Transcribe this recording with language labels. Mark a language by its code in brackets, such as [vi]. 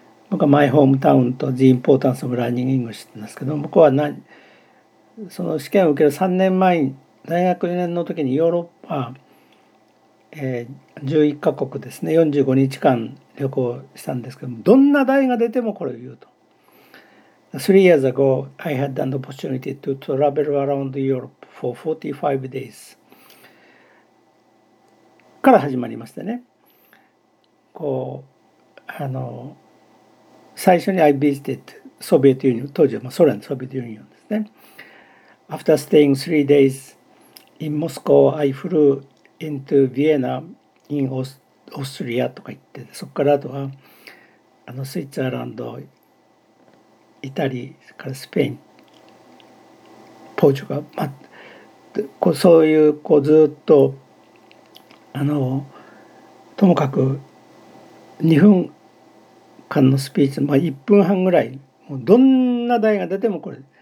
[ja] 僕はマイホームタウンと [en] The Importance of Learning English [ja] なんですけど、僕は何、その試験を受ける3年前に、大学4年の時にヨーロッパ、11カ国ですね、45日間旅行したんですけども、どんな題が出てもこれを言うと。 [en] 3 years ago, I had an opportunity to travel around Europe for 45 days. [ja] から始まりましたね。こう、最初に [en] I visited Soviet Union、 [ja] 当時はソ連、ソビエトユニオンですね。 [en] After staying 3 days in Moscow, I flew into Vienna in Austria [ja] とか言って、そこからあとはスイッツアランド、イタリアからスペイン、ポーチュガル、まあ、こうそういうこうずっとともかく2分間のスピーチ、まあ1分半ぐらい、もうどんな題が出てもこれ。